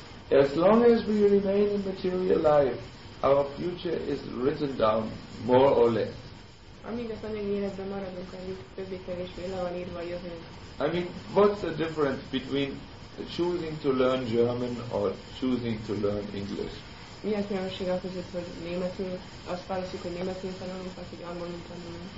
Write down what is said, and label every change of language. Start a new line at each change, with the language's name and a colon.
English: As long as we remain in material life, our future is written down more or less.
Hungarian: Amíg az anyagi életben maradunk, amíg többé-kevésbé le van írva a jövőnk.
English: I mean, what's the difference between choosing to learn German or choosing to learn English?
Hungarian: milyen különbség a között, hogy németül, azt válaszoljuk, hogy németül tanulunk, vagy hogy angolul tanulunk.